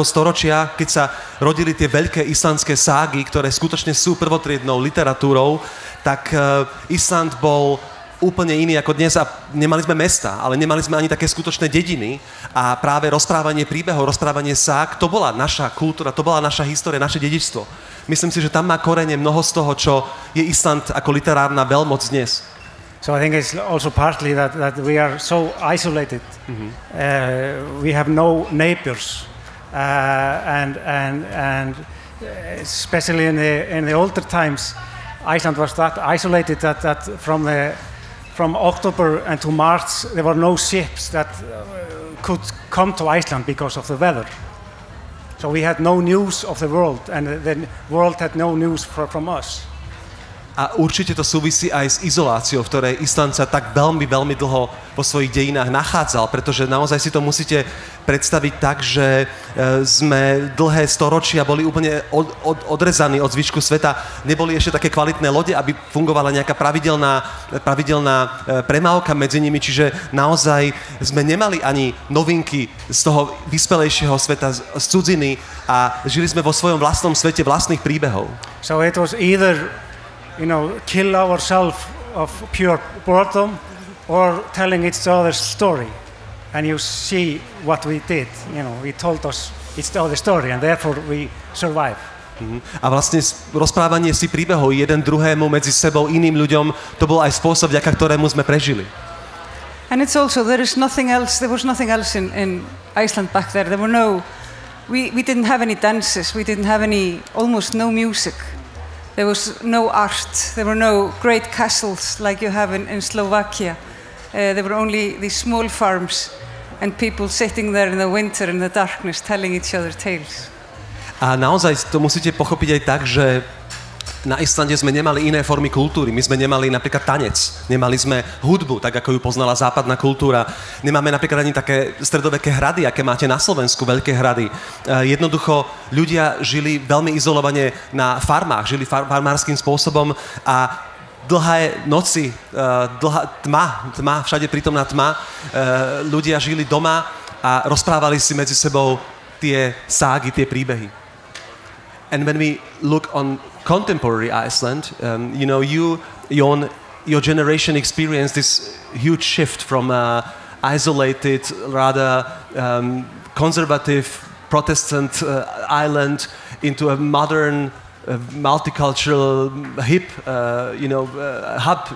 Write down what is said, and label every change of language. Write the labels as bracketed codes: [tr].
[sk] storočia, keď sa rodili tie veľké islandské ságy, ktoré skutočne sú prvotriednou literatúrou, tak Island bol úplne iný ako dnes a nemali sme mesta, ale nemali sme ani také skutočné dediny a práve rozprávanie príbehov, rozprávanie ság, to bola naša kultúra, to bola naša história, naše dedičstvo. Myslím si, že tam má korene mnoho z toho, čo je Island ako literárna veľmoc dnes. [en] So I think it's also partly that we are so isolated. Mm-hmm. We have no neighbors. And especially in the older times, Iceland was that isolated that from October and to March there were no ships that could come to Iceland because of the weather. So we had no news of the world and the world had no news from us. [sk] A určite to súvisí aj s izoláciou, v ktorej Island sa tak veľmi, veľmi dlho vo svojich dejinách nachádzal, pretože naozaj si to musíte predstaviť tak, že sme dlhé storočia boli úplne odrezaní od zvyšku sveta, neboli ešte také kvalitné lode, aby fungovala nejaká pravidelná premávka medzi nimi, čiže naozaj sme nemali ani novinky z toho vyspelejšieho sveta, z cudziny a žili sme vo svojom vlastnom svete vlastných príbehov. [en] So it was either you know, kill ourselves of pure boredom or telling each other's story. And you see what we did, you know, we told us each other's story and therefore we survive. Mm-hmm. [sk] A vlastne rozprávanie si príbehov jeden druhému medzi sebou, iným ľuďom, to bol aj spôsob, vďaka ktorému sme prežili. [en] And it's also, there was nothing else in Iceland back there. There were no, we didn't have any dances, we didn't have any, almost no music. There was no art, there were no great castles like you have in Slovakia. There were only these small farms and people sitting there in the winter in the darkness telling each other tales. [sk] A naozaj to musíte pochopiť aj tak, že na Islande sme nemali iné formy kultúry. My sme nemali napríklad tanec, nemali sme hudbu, tak ako ju poznala západná kultúra. Nemáme napríklad ani také stredoveké hrady, aké máte na Slovensku, veľké hrady. Jednoducho, ľudia žili veľmi izolovane na farmách, žili farmárskym spôsobom a dlhé noci, dlhá tma, všade prítomná tma, ľudia žili doma a rozprávali si medzi sebou tie ságy, tie príbehy. [en] And when we look on contemporary Iceland, you know, you, Jón, your generation experienced this huge shift from isolated, rather conservative, Protestant island into a modern, multicultural hip, you know, hub.